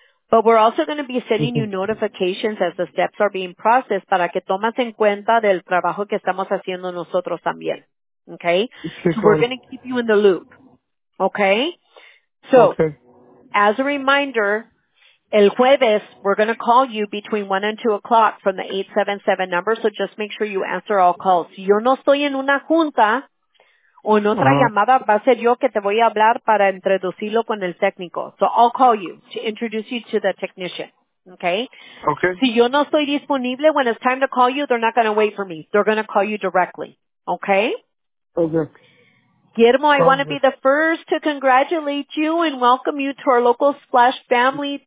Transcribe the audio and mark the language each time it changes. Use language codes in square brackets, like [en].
[en] But we're also going to be sending you notifications as the steps are being processed para que tomas en cuenta del trabajo que estamos haciendo nosotros también, okay? So we're going to keep you in the loop, okay? So, as a reminder, el jueves, we're going to call you between 1 and 2 o'clock from the 877 number, so just make sure you answer all calls. [es] Si yo no estoy en una junta o en otra llamada, va a ser yo que te voy a hablar para introducirlo con el técnico. [en] So I'll call you to introduce you to the technician, okay? Okay. Si yo no estoy disponible, when it's time to call you, they're not going to wait for me. They're going to call you directly, okay? Okay. Guillermo, I want to be the first to congratulate you and welcome you to our local Splash family.